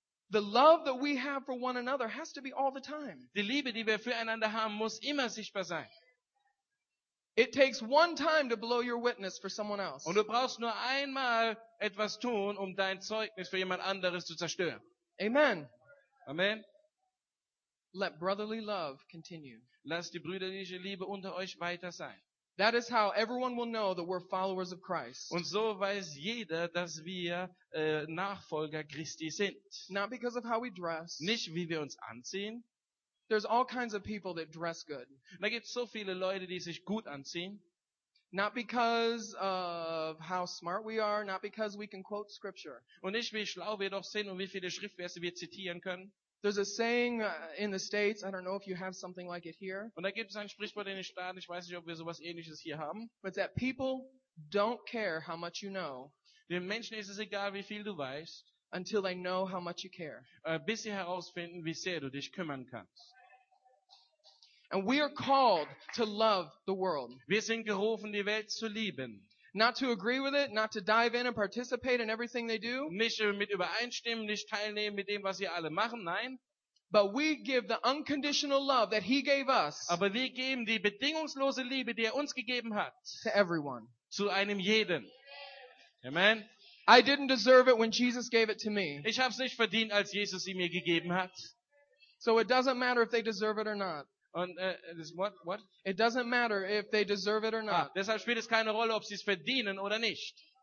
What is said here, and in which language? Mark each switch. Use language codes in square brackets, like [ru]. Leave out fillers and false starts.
[en] The love that we have for one another has to be all the time. [de] Die Liebe, die wir füreinander haben, muss immer sichtbar sein. [en] It takes one time to blow your witness for someone else. [de] Und du brauchst nur einmal etwas tun, um dein Zeugnis für jemand anderes zu zerstören. [en] Amen. [de] Amen. [en] Let brotherly love continue. [de] Lass die brüderliche Liebe unter euch weiter sein. [en] That is how everyone will know that we're followers of Christ. [de] Und so weiß jeder, dass wir Nachfolger Christi sind. [en] Not because of how we dress. [de] Nicht wie wir uns anziehen. [en] There's all kinds of people that dress good. [de] Da gibt's so viele Leute, die sich gut anziehen. [en] Not because of how smart we are, not because we can quote scripture. [de] Und nicht wie schlau wir doch sind und wie viele Schriftverse wir zitieren können. [en] There's a saying in the States, I don't know if you have something like it here. [de] Und da gibt es ein Sprichwort in den Staaten, ich weiß nicht, ob wir sowas ähnliches hier haben. [en] But that people don't care how much you know. [de] Den Menschen ist es egal, wie viel du weißt. [en] Until they know how much you care. [de] Bis sie herausfinden, wie sehr du dich kümmern kannst. [en] And we are called to love the world. [de] Wir sind gerufen, die Welt zu lieben. [en] Not to agree with it, not to dive in and participate in everything they do. [de] Nicht mit übereinstimmen, nicht teilnehmen mit dem, was sie alle machen, nein. [en] But we give the unconditional love that he gave us. [de] Aber wir geben die bedingungslose Liebe, die uns gegeben hat. [en] To everyone. [de] Zu einem jeden. Amen. [en] I didn't deserve it when Jesus gave it to me. [de] Ich habe es nicht verdient, als Jesus sie mir gegeben hat. [en] So it doesn't matter if they deserve it or not. [de] Und [en] what? It doesn't matter if they deserve it or not. [de] Deshalb spielt es keine Rolle, ob sie es verdienen oder nicht.